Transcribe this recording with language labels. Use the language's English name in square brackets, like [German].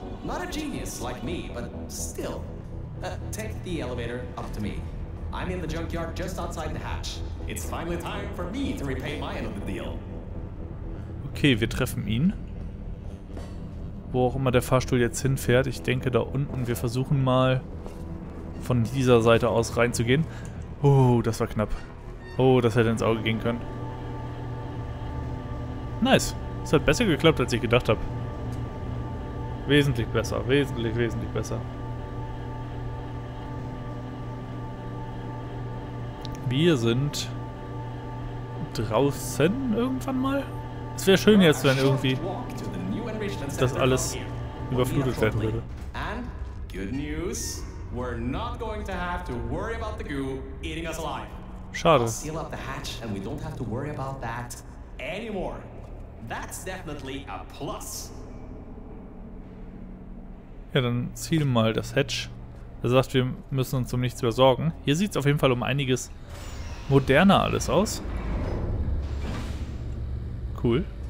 [English] Not a genius like me, but still. Take the elevator up to me. I'm in the junkyard just outside the hatch. It's finally time for me to repay my end of the deal. [German] Okay, wir treffen ihn. Wo auch immer der Fahrstuhl jetzt hinfährt, ich denke da unten. Wir versuchen mal von dieser Seite aus reinzugehen. Oh, das war knapp. Oh, das hätte ins Auge gehen können. Nice. Es hat besser geklappt, als ich gedacht habe. Wesentlich besser. Wesentlich, wesentlich besser. Wir sind draußen irgendwann mal. Es wäre schön jetzt, wenn irgendwie das alles überflutet werden würde. Und gute News: Wir werden nicht über die Goo zu sorgen, die uns lebend essen. Schade. Wir sealen den Hatch und wir müssen nicht mehr über das sorgen. [English] That's definitely a plus. [German] Ja, dann ziel mal das Hatch. Er sagt, wir müssen uns um nichts mehr sorgen. Hier sieht es auf jeden Fall um einiges moderner alles aus. Cool.